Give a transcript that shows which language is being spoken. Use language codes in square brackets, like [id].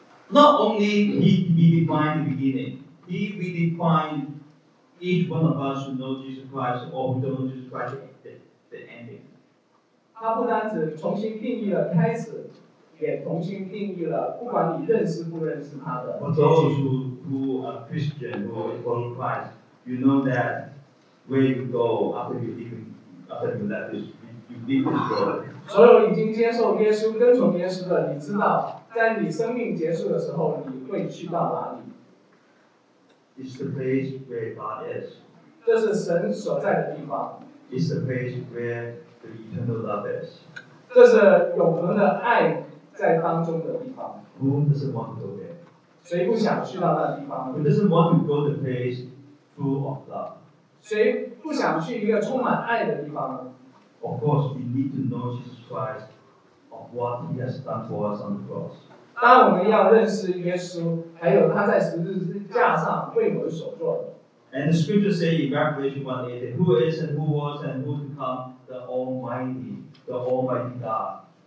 [en] Not only he redefined the beginning, he redefined each one of us who know Jesus Christ or who don't know Jesus Christ, the ending. [zh] 他不单只重新定义了开始，也重新定义了不管你认识不认识他的。 [en] For those who are Christian or follow Christ, you know that where you go after you leave, after you left this, you leave this world. [zh] 所有已经接受耶稣、跟从耶稣的，你知道，在你生命结束的时候，你会去到哪里 [en] ？It's the place where God is. [zh] 这是神所在的地方。 [en] It's the place where the eternal love is. [zh] 这是永恒的爱在当中的地方。 [en] Who doesn't want to go there? [zh] 谁不想去到那地方 [en] ？Who doesn't want to go to the place full of love? [zh] 谁不想去一个充满爱的地方呢？ [en] Of course, we need to know Jesus Christ of what He has done for us on the cross. [zh] 当我们要认识耶稣，还有他在十字架上为我们所做的。 [en] And the Scripture says in Revelation 1:8, "Who is and who was and who to come, the Almighty God."